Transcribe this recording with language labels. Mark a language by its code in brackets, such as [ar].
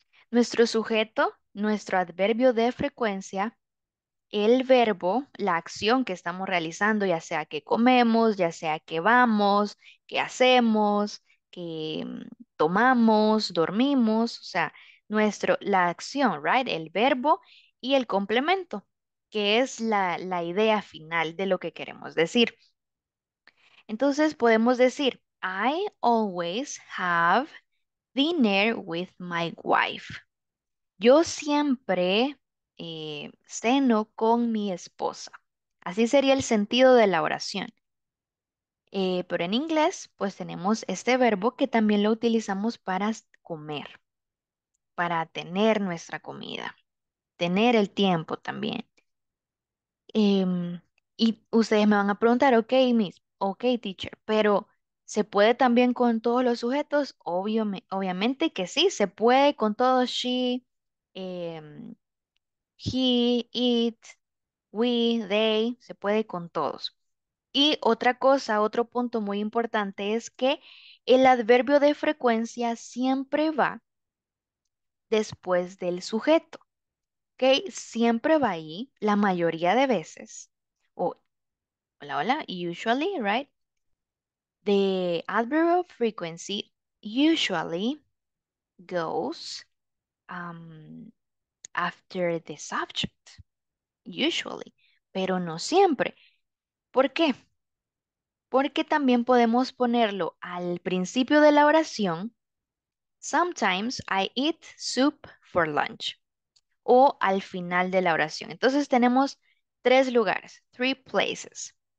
[es] Nuestro sujeto, nuestro adverbio de frecuencia, el verbo, la acción que estamos realizando, ya sea que comemos, ya sea que vamos, que hacemos, que tomamos, dormimos, o sea, la acción, right? El verbo y el complemento, que es la idea final de lo que queremos decir. Entonces, podemos decir, [en] I always have dinner with my wife. [es] Yo siempre ceno con mi esposa. Así sería el sentido de la oración. Pero en inglés, pues tenemos este verbo que también lo utilizamos para comer. Para tener nuestra comida. Tener el tiempo también. Y ustedes me van a preguntar, [en] ok, miss, ok, teacher, [es] pero ¿se puede también con todos los sujetos? Obviamente que sí, se puede con todos. [en] She, he, it, we, they, [es] se puede con todos. Y otra cosa, otro punto muy importante es que el adverbio de frecuencia siempre va después del sujeto, ¿ok? Siempre va ahí, la mayoría de veces, o Hola, hola. [en] Usually, right? The adverb of frequency usually goes after the subject. Usually. [es] Pero no siempre. ¿Por qué? Porque también podemos ponerlo al principio de la oración. [en] Sometimes I eat soup for lunch. [es] O al final de la oración. Entonces tenemos tres lugares. [en] Three places.